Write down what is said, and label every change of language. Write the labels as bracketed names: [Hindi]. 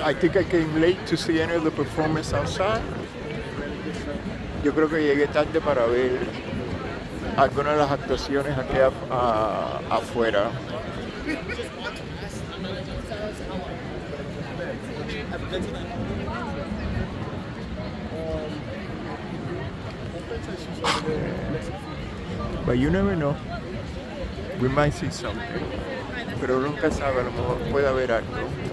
[English] I think I came late to see any of the performance outside. [Spanish] Yo creo que llegué tarde para ver algunas de las actuaciones aquí afuera. [English] But you never know. We might see something. [Spanish] Pero nunca sabe, a lo mejor puede haber algo.